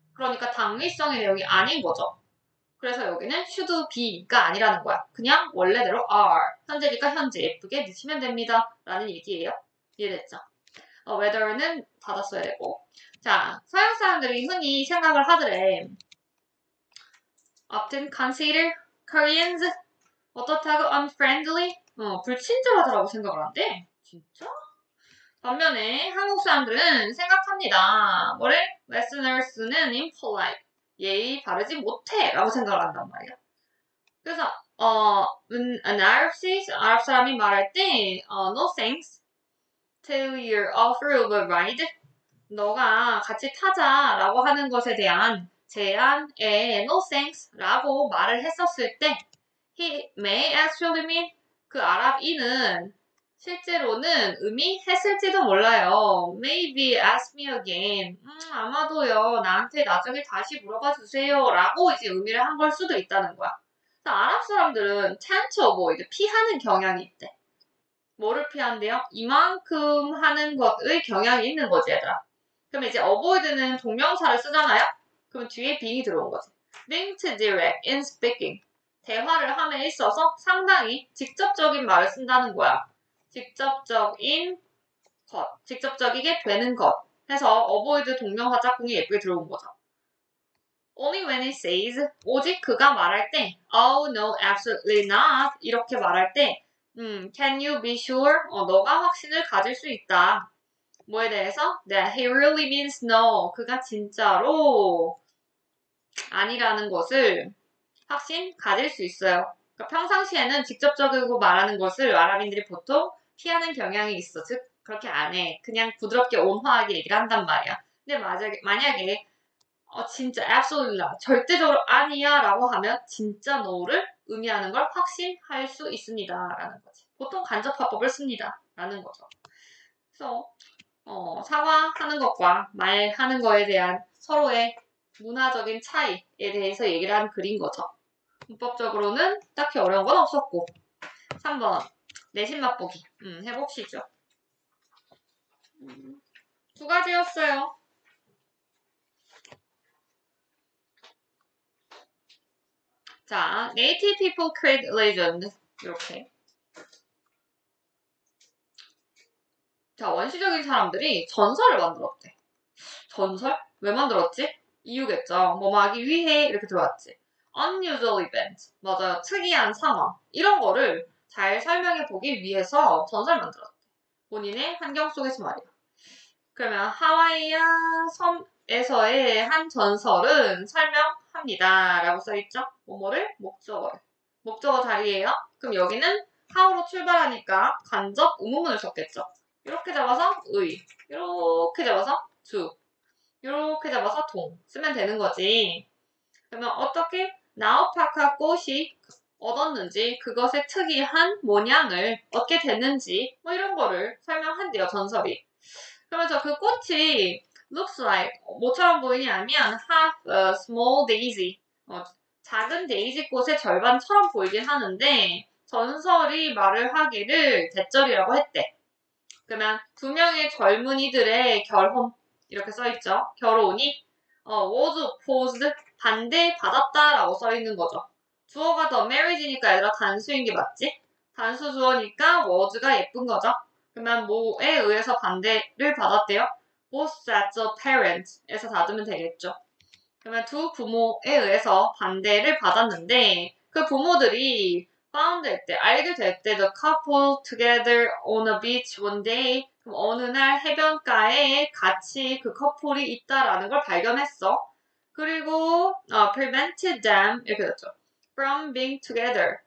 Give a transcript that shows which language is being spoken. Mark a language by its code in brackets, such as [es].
[ko] 그러니까 당위성의 내용이 아닌 거죠. 그래서 여기는 should be가 아니라는 거야. 그냥 원래대로 are. 현재니까 현재 예쁘게 넣으시면 됩니다. 라는 얘기예요. 이해됐죠? whether는 받았어야 되고. 자, 서양 사람들이 흔히 생각을 하더래. [en] often consider Koreans [ko] 어떻다고 [en] unfriendly? [ko] 불친절하다고 생각을 한대. 진짜? 반면에 한국 사람들은 생각합니다. 뭐래? Westerners는 impolite. 예의 바르지 못해. 라고 생각을 한단 말이야. 그래서, an Arab 사람이 말할 때, [en] no thanks. to your offer of a ride. [ko] 너가 같이 타자라고 하는 것에 대한 제안에 [en] no thanks [ko] 라고 말을 했었을 때, [en] he may actually mean [ko] 그 아랍인은 실제로는 의미했을지도 몰라요. [en] Maybe ask me again. [ko] 아마도요. 나한테 나중에 다시 물어봐 주세요. 라고 이제 의미를 한걸 수도 있다는 거야. 아랍 사람들은 tend to avoid 피하는 경향이 있대. 뭐를 피한대요? 이만큼 하는 것의 경향이 있는 거지, 얘들아. 그럼 이제 avoid는 동명사를 쓰잖아요? 그럼 뒤에 being이 들어온 거지. [en] Being too direct in speaking. [ko] 대화를 함에 있어서 상당히 직접적인 말을 쓴다는 거야. 직접적인 것, 직접적이게 되는 것. 해서 avoid 동명사 짝꿍이 예쁘게 들어온 거죠. [en] Only when he says, [ko] 오직 그가 말할 때, [en] Oh no, absolutely not. [ko] 이렇게 말할 때, [en] can you be sure? [ko] 너가 확신을 가질 수 있다. 뭐에 대해서? [en] That he really means no. [ko] 그가 진짜로 아니라는 것을 확신 가질 수 있어요. 그러니까 평상시에는 직접적이고 말하는 것을 아랍인들이 보통 피하는 경향이 있어. 즉, 그렇게 안 해. 그냥 부드럽게 온화하게 얘기를 한단 말이야. 근데 만약에, 진짜 [en] absolutely not. [ko] 절대적으로 아니야. 라고 하면 진짜 no를 의미하는 걸 확신할 수 있습니다. 라는 거지. 보통 간접화법을 씁니다. 라는 거죠. 그래서, 사과하는 것과 말하는 거에 대한 서로의 문화적인 차이에 대해서 얘기를 한 글인 거죠. 문법적으로는 딱히 어려운 건 없었고. 3번. 내신 맛보기. 해봅시죠. 두 가지였어요. [en] 자, native people create legend 이렇게. [ko] 자, 원시적인 사람들이 전설을 만들었대. 전설? 왜 만들었지? 이유겠죠. 뭐뭐 하기 위해 이렇게 들어왔지. [en] unusual event, [ko] 맞아요. 특이한 상황, 이런 거를 잘 설명해 보기 위해서 전설 만들었대. 본인의 환경 속에서 말이야. 그러면 하와이아 섬에서의 한 전설은 설명합니다. 라고 써있죠? 뭐뭐를? 목적어. 목적어 자리예요. 그럼 여기는 하우로 출발하니까 간접 의문문을 썼겠죠? 이렇게 잡아서 의, 이렇게 잡아서 주, 이렇게 잡아서 동 쓰면 되는 거지. 그러면 어떻게 나우파카 꽃이 얻었는지, 그것의 특이한 모양을 얻게 됐는지, 뭐 이런 거를 설명한대요, 전설이. 그러면서 그 꽃이 [en] looks like, [ko] 뭐처럼 보이냐면, [en] half a small daisy. [ko] 작은 데이지 꽃의 절반처럼 보이긴 하는데, 전설이 말을 하기를 대절이라고 했대. 그러면 두 명의 젊은이들의 결혼, 이렇게 써있죠. 결혼이, was opposed, 반대 받았다라고 써있는 거죠. 주어가 더 marriage니까 얘들아 단수인 게 맞지? 단수 주어니까 was가 예쁜 거죠? 그러면 뭐에 의해서 반대를 받았대요? [en] Was that the parent? [ko] 에서 닫으면 되겠죠? 그러면 두 부모에 의해서 반대를 받았는데 그 부모들이 [en] found [ko] 했대, 알게 됐대, [en] the couple together on a beach one day. [ko] 그럼 어느 날 해변가에 같이 그 커플이 있다라는 걸 발견했어. [en] 그리고 prevented them [ko] 이렇게 됐죠. [en] From being together.